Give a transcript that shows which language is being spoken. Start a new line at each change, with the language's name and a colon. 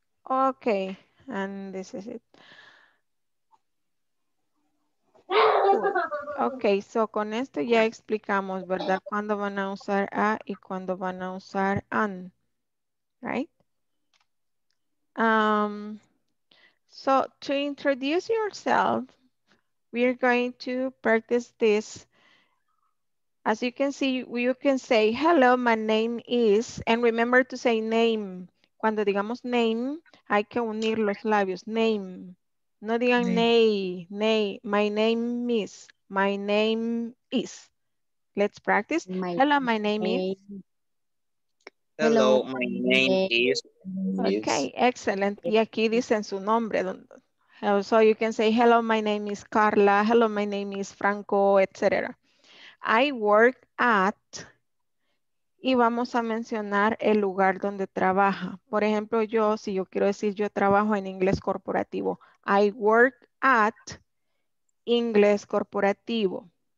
English: Okay. And this is it.
Spanish: Ok, so con esto ya explicamos, ¿verdad? ¿Cuándo van a usar a y cuándo van a usar an?
English: Right? So to introduce yourself, we are going to practice this. As you can see, you can say, hello, my name is, and remember to say name.
Spanish: Cuando digamos name, hay que unir los labios, name.
English: No digan nay, nay, my name is. Let's practice. Hello, my name is. Okay, excellent.
Spanish: Y aquí dicen su nombre.
English: So you can say, hello, my name is Carla. Hello, my name is Franco, etc.
Spanish: I work at, y vamos a mencionar el lugar donde trabaja. Por ejemplo, yo, si yo quiero decir, yo trabajo en inglés corporativo.
English: I work at inglés corporativo.